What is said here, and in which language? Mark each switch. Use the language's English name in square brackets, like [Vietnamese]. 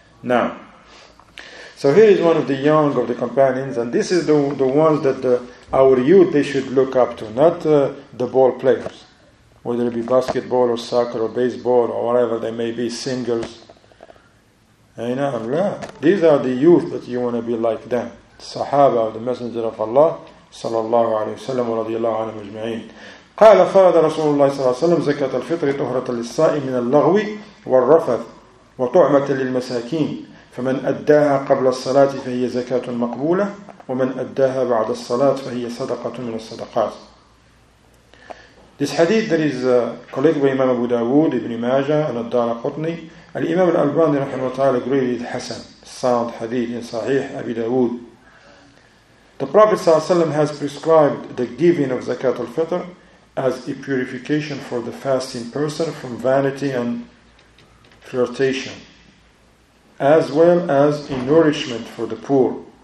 [English] Now, so here is one of the young of the companions, and this is the ones that our youth, they should look up to, not the ball players, whether it be basketball or soccer or baseball or whatever they may be, singers. These are the youth that you want to be like them. Sahaba, the Messenger of Allah, sallallahu alayhi wa sallam, wa radiyallahu anhu majma'in. [Arabic] قال فرض رسول الله صلى الله عليه وسلم زكاة الفطر طهرة للصائم من اللغو والرفث وطعمة للمساكين فمن أداها قبل الصلاة فهي زكاة مقبولة ومن أداها بعد الصلاة فهي صدقة من الصدقات. [English] This hadith that is collected by Imam Abu Dawood, Ibn Majah, and Ad-Dharqutni. Al-Imam Al-Albani [Arabic] رحمه وتعالى [English] agreed with Hassan. Sound hadith in Sahih Abu Dawood. The Prophet [Arabic] صلى الله عليه وسلم [English] has prescribed the giving of زكاة الفطر as a purification for the fasting person from vanity and flirtation, as well as a nourishment for the poor.